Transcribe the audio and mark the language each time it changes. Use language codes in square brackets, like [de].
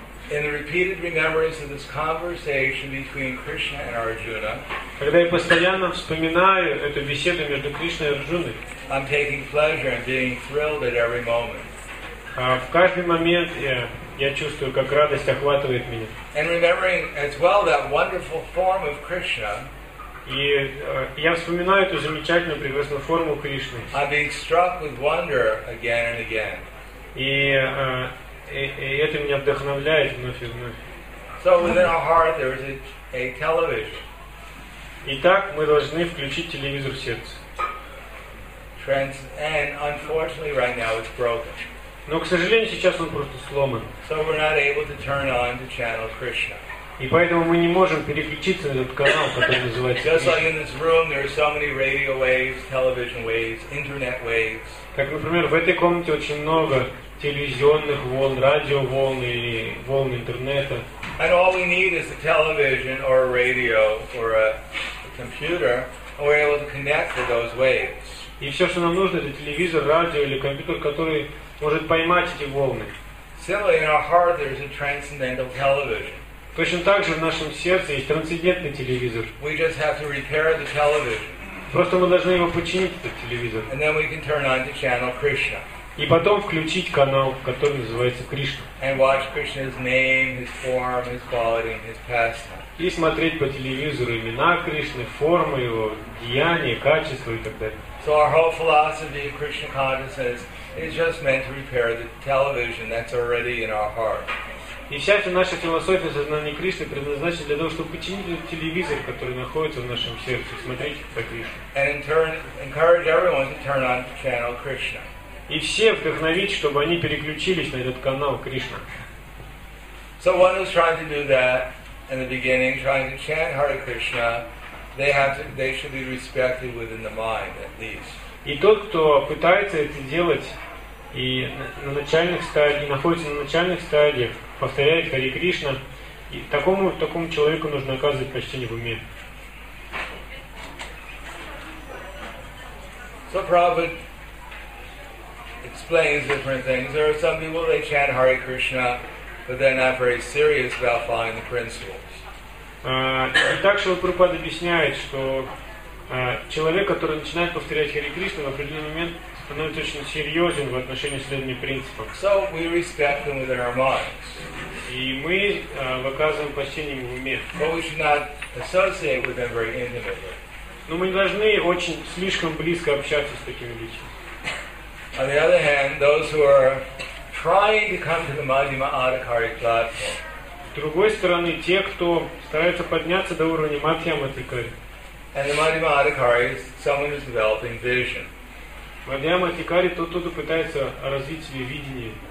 [en] In the repeated remembrance of this conversation between Krishna and Arjuna, [ru] когда я постоянно вспоминаю эту беседу между Кришной и Арджуной, [en] I'm taking pleasure and being thrilled at every moment. [ru] В каждый момент я чувствую, как радость охватывает меня. [en] And remembering as well that wonderful form of Krishna, [ru] и я вспоминаю эту замечательную, прекрасную форму Кришны. [en] I'm being struck with wonder again and again. [ru] И это меня вдохновляет вновь и вновь. [en] So within our heart there is a television. [ru] Итак, мы должны включить телевизор в сердце. [en] And unfortunately right now it's broken. [ru] Но, к сожалению, сейчас он просто сломан. [en] So we're not able to turn on the channel Krishna. [ru] И поэтому мы не можем переключиться на этот канал, который называется. [en] Just like in this room, there are so many radio waves, television waves, internet waves. [ru] Так, например, в этой комнате очень много телевизионных волн, радиоволн и волн интернета. [en] And all we need is a television or a radio or a computer, and we're able to connect with those waves. [ru] И все, что нам нужно, это телевизор, радио или компьютер, который может поймать эти волны. [en] Similarly, in our heart, there's a transcendental television. [ru] Точно так же в нашем сердце есть трансцендентный телевизор. [en] We just have to repair the television. [ru] Просто мы должны его починить, этот телевизор. [en] And then we can turn on the channel Krishna. [ru] И потом включить канал, который называется Кришна. [en] And watch Krishna's name, his form, his quality, and his pastime. [ru] И смотреть по телевизору имена Кришны, формы его, деяния, качества и так далее. [en] So our whole philosophy of Krishna consciousness is just meant to repair the television that's already in our heart. [ru] И вся эта наша философия сознания Кришны предназначена для того, чтобы починить этот телевизор, который находится в нашем сердце, смотреть по Кришне. [en] And in turn, encourage everyone to turn on the channel Krishna. [ru] И все вдохновить, чтобы они переключились на этот канал Кришна. [en] So one who's trying to do that in the beginning, trying to chant Hare Krishna, they should be respected within the mind at least. [ru] И тот, кто пытается это делать и на начальных стадиях, находится на начальных стадиях, повторяет Хари Кришна, и такому человеку нужно оказывать почтение в уме. [en] So Prabhupada explains different things. There are some people, they chant Hare Krishna, but they're not very serious about following the principles. [ru] И также Прабхупада объясняет, что человек, который начинает повторять Хари Кришна, в определенный момент становится очень серьезен в отношении следования принципов. [en] So we respect them within our minds. [ru] И мы выказываем почтение ему в уме. [en] But we should not associate with them very intimately. [ru] Но мы не должны очень слишком близко общаться с такими людьми. [en] On the other hand, those who are trying to come to the Madhyama Adhikari platform. [ru] С другой стороны, те, кто старается подняться до уровня Мадхьяма Адхикари. [en] And the Madhyama Adhikari is someone who's developing vision. [ru] Мадхьяма Адхикари тот, кто пытается развить себе видение.